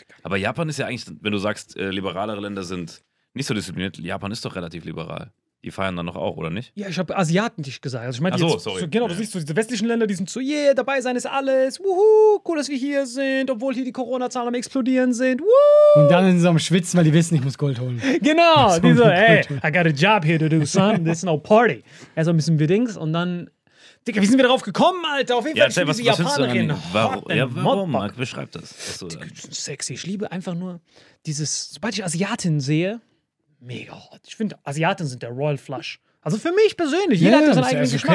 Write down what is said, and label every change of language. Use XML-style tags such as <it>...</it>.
<de>Aber Japan ist ja eigentlich, wenn du sagst, liberalere Länder sind nicht so diszipliniert, Japan ist doch relativ liberal. Die feiern dann noch auch, oder nicht? Ja, ich habe asiatisch gesagt. Also ich meine, du siehst so diese westlichen Länder, die sind so, yeah, dabei sein ist alles. Wuhu, cool, dass wir hier sind, obwohl hier die Corona-Zahlen am explodieren sind. Woo! Und dann sind sie am Schwitzen, weil die wissen, ich muss Gold holen. Genau, so, die so,</de> <en>hey, I got a job here to do, son, this is no party.</en> <de>Also müssen wir Dings und dann, Digga, wie sind wir darauf gekommen, Alter? Auf jeden Fall, ja, diese Japanerin. Warum, Marc, beschreib das. Sexy, ich liebe einfach nur dieses, sobald ich Asiatin sehe, mega hot. Ich finde, Asiaten sind der Royal Flush. Also für mich persönlich. Jeder hat seinen eigenen Geschmack.</de>